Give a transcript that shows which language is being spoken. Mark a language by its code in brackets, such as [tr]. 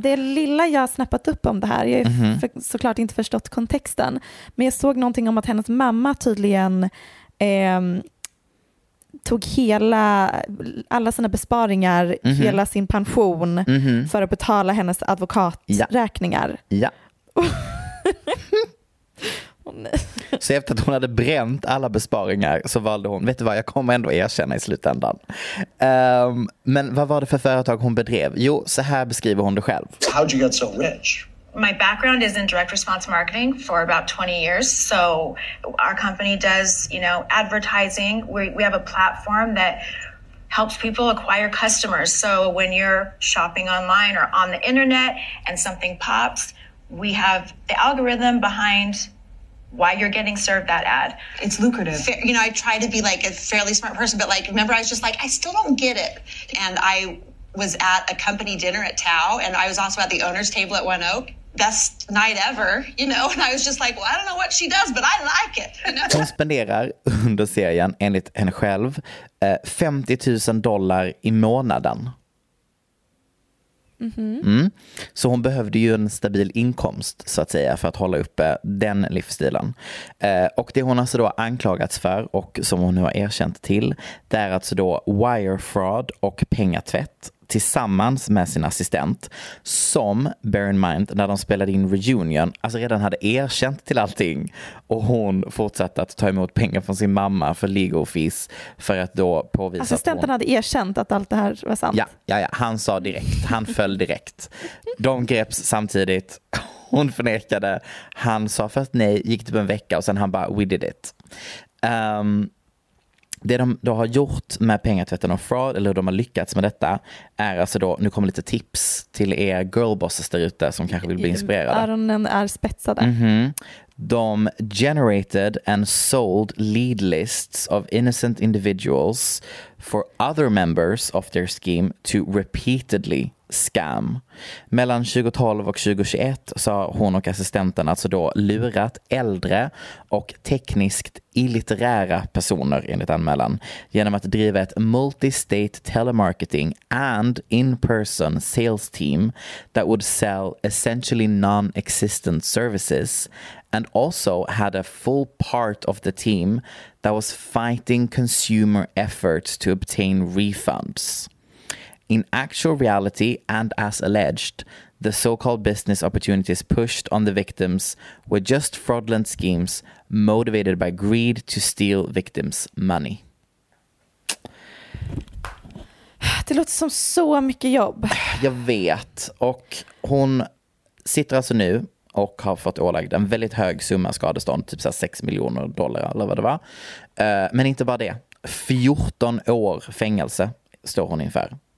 [sv] Det lilla jag har snappat upp om det här, jag har såklart inte förstått kontexten, men jag såg någonting om att hennes mamma tydligen tog hela alla sina besparingar, hela sin pension för att betala hennes advokaträkningar. Ja. Så efter att hon hade bränt alla besparingar så valde hon, vet du vad, jag kommer ändå erkänna i slutändan. Men vad var det för företag hon bedrev? Jo, så här beskriver hon det själv. [en] How'd you get so rich? My background is in direct response marketing for about 20 years. So our company does, you know, advertising. We have a platform that helps people acquire customers. So when you're shopping online or on the internet and something pops, we have the algorithm behind why you're getting served that ad. It's lucrative. You know, I try to be like a fairly smart person, but like, remember, I was just like, I still don't get it. And I was at a company dinner at Tao, and I was also at the owner's table at One Oak. Best night ever, you know? And I was just like, well, I don't know what she does, but I like it. You know? [sv] Hon spenderar under serien, enligt henne själv, $50,000 i månaden. Mm-hmm. Mm. Så hon behövde ju en stabil inkomst så att säga för att hålla uppe den livsstilen. Och det hon alltså då anklagats för och som hon nu har erkänt till, det är alltså då wire fraud och pengatvätt tillsammans med sin assistent som, [en] bear in mind, [sv] när de spelade in Reunion, alltså redan hade erkänt till allting och hon fortsatte att ta emot pengar från sin mamma för legal fees för att då påvisa assistenten att hon... hade erkänt att allt det här var sant. Ja, ja, ja, han sa direkt, han föll direkt. De greps samtidigt, hon förnekade, han sa först nej, gick typ en vecka och sen han bara, [en] we did it. [sv] Det de då har gjort med pengatvätten och fraud, eller hur de har lyckats med detta, är alltså då, nu kommer lite tips till er girlbosses där ute som kanske vill bli inspirerade. Öronen är spetsade. Mm-hmm. [en] De generated and sold lead lists of innocent individuals for other members of their scheme to repeatedly scam. [sv] Mellan 2012 och 2021 så har hon och assistenten alltså då lurat äldre och tekniskt illitterära personer enligt anmälan genom att driva ett [en] multi-state telemarketing and in-person sales team that would sell essentially non-existent services and also had a full part of the team that was fighting consumer efforts to obtain refunds. In actual reality and as alleged, the so-called business opportunities pushed on the victims were just fraudulent schemes motivated by greed to steal victims' money. [sv] Det låter som så mycket jobb. Jag vet. Och hon sitter alltså nu och har fått ålagd en väldigt hög summa skadestånd, typ så här $6 million eller vad det var. Men inte bara det. 14 år fängelse står hon inför.